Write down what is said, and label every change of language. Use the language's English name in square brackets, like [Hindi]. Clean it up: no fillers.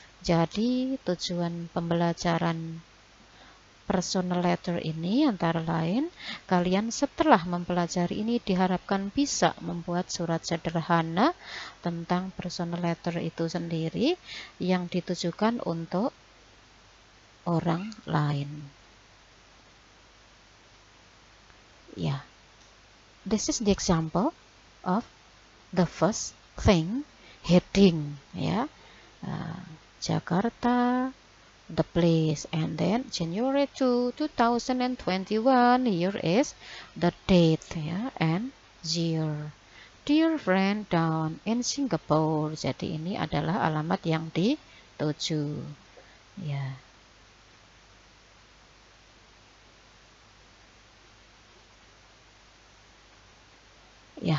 [Indonesian] Jadi, tujuan pembelajaran personal letter ini antara lain, kalian setelah mempelajari ini diharapkan bisa membuat surat sederhana tentang personal letter itu sendiri yang ditujukan untuk orang lain. Ya, yeah. [English] This is the example of the first thing, heading, ya, yeah. Jakarta. The place, and then January 2, 2021, here is the date, yeah, and year. Dear friend down in Singapore. [Indonesian] Jadi ini adalah alamat yang dituju, ya, yeah.